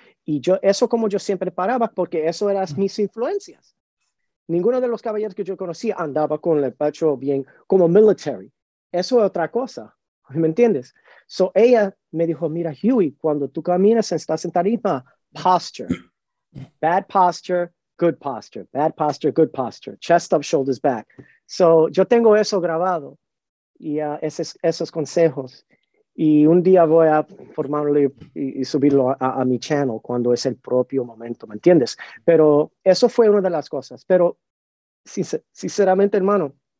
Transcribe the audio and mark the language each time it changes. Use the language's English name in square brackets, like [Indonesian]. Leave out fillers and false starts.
[Spanish] Y yo, eso como yo siempre paraba, porque eso eran mis influencias. Ninguno de los caballeros que yo conocía andaba con el pecho bien, como military. Eso es otra cosa, ¿me entiendes? So ella me dijo, mira, Huey, cuando tú caminas, estás en tarima, posture. [English] Bad posture, good posture. Bad posture, good posture. Chest up, shoulders back. [Spanish] So yo tengo eso grabado y esos consejos. Y un día voy a formarlo y subirlo a mi channel cuando es el propio momento, ¿me entiendes? Pero eso fue una de las cosas. Pero sinceramente, hermano,